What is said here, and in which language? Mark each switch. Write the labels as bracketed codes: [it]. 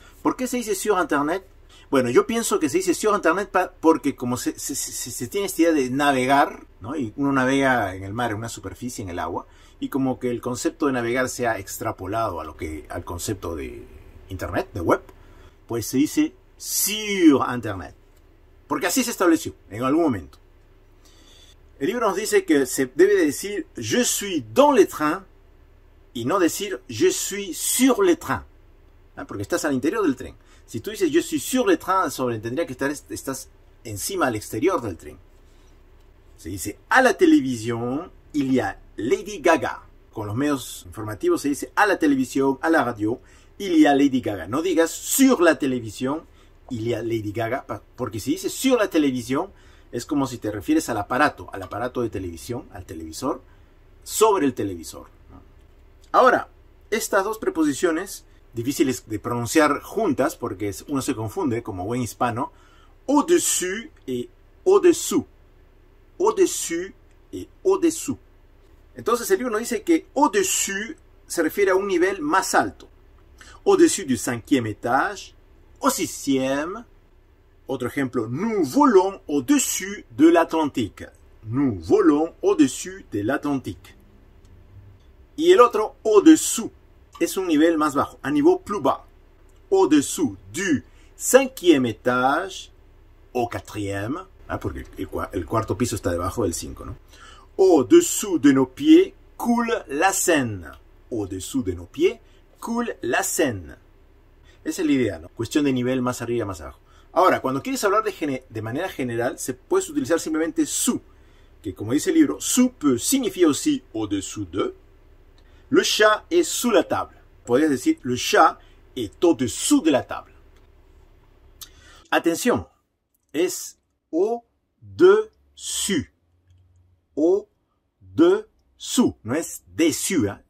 [es] ¿Por qué se dice [fr] sur internet? [es] Bueno, yo pienso que se dice sur internet porque como se tiene esta idea de navegar, ¿no? Y uno navega en el mar, en una superficie, en el agua. Y como que el concepto de navegar se ha extrapolado a lo que, al concepto de internet, de web, pues se dice [fr] sur internet. [es] Porque así se estableció en algún momento. El libro nos dice que se debe decir [fr] je suis dans le train [es] y no decir [fr] je suis sur le train. [es] ¿Ah? Porque estás al interior del tren. Si tú dices yo soy [fr] sur le train, [es] sobreentendría que estás encima, al exterior del tren. Se dice a la televisión, [fr] il y a Lady Gaga. [es] Con los medios informativos se dice a la televisión, a la radio, [fr] il y a Lady Gaga. [es] No digas sur la televisión, [fr] il y a Lady Gaga, [es] porque si dices sur la televisión, es como si te refieres al aparato de televisión, al televisor, sobre el televisor. Ahora, estas dos preposiciones, difíciles de pronunciar juntas porque uno se confunde como buen hispano, au-dessus y au-dessous. Au-dessus y au-dessous. Entonces el libro dice que au-dessus se refiere a un nivel más alto. [fr] Au-dessus du cinquième étage, au sixième. [es] Otro ejemplo, [fr] nous volons au-dessus de l'Atlantique. Nous volons au-dessus de l'Atlantique. [es] Y el otro, au-dessous, es un nivel más bajo, a nivel [fr] plus bas. Au-dessous du cinquième étage, au quatrième. [es] Ah, porque el cuarto piso está debajo del 5, ¿no? [fr] Au-dessous de nos pieds coule la Seine. Au-dessous de nos pieds coule la Seine. [es] Esa es la idea, ¿no? Cuestión de nivel más arriba, más abajo. Ahora, cuando quieres hablar de manera general, se puede utilizar simplemente sous, que como dice el libro, [fr] sous peut signifier aussi au-dessous de. Le chat est sous la table. [es] Podrías decir, [fr] le chat est au-dessous de la table. [es] Atención, es au-dessus. Au-dessous. No es dessus, ¿eh?